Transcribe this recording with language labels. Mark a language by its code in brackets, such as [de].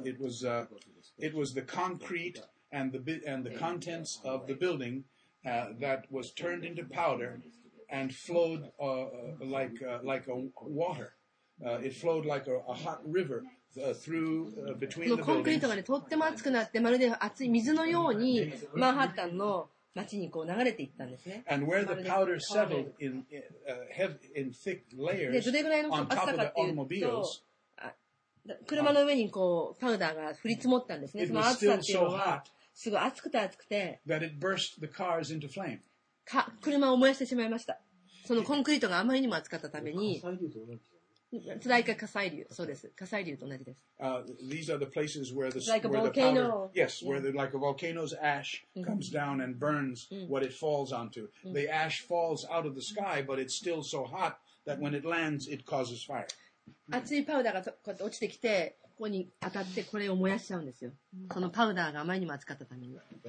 [en] It was the concrete and the contents of the building that was turned into powder and flowed like a water. It flowed like a hot river through between the [ja] concrete がね、とっても熱くなって、まるで熱い水のようにマンハッタンの街にこう流れていったんですね。 [en] And where the powder settled in thick layers on top of the automobiles. [ja] 車の上にこうパウダーが降り積もったんですね。その熱さっていうのはすごい熱くて熱くて、 [en] that it burst the cars into flame. [ja] 車を燃やしてしまいました。そのコンクリートがあまりにも熱かったために、つらいか火砕流、そうです。火砕流と同じです。 [en] These are the places where the volcano, where a volcano's ash comes down and burns what it falls onto. The ash falls out of the sky, but it's still so hot that when it lands, it causes fire. [ja] 熱いパウダーがこうやって落ちてきて、ここに当たってこれを燃やしちゃうんですよ。そのパウダーがあまりにも熱かったために。